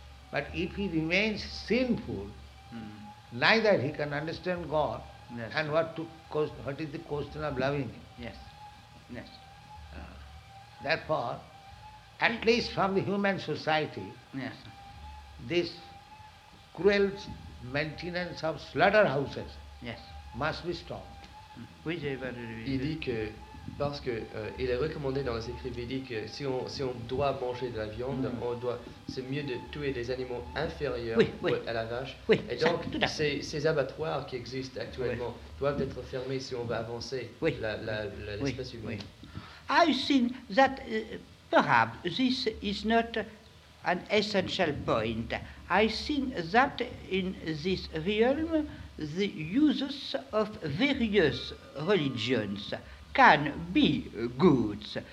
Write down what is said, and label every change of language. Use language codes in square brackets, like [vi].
[en] But if he remains sinful, neither he can understand God and what is the question of loving Him. Yes. Therefore, at least from the human society, this cruel maintenance of slaughterhouses must be stopped. [fr] Oui, j'ai Il dit que Parce que il est recommandé dans les écrits védiques que si on doit manger de la viande, mm. on doit, c'est mieux de tuer des animaux inférieurs oui, oui. à la vache. Oui, et donc ça, ces abattoirs qui existent actuellement oui. doivent être fermés si on veut avancer oui. l'espèce oui. humaine. Oui. [en] I think that perhaps this is not an essential point. I think that in this realm the uses of various religions can be good.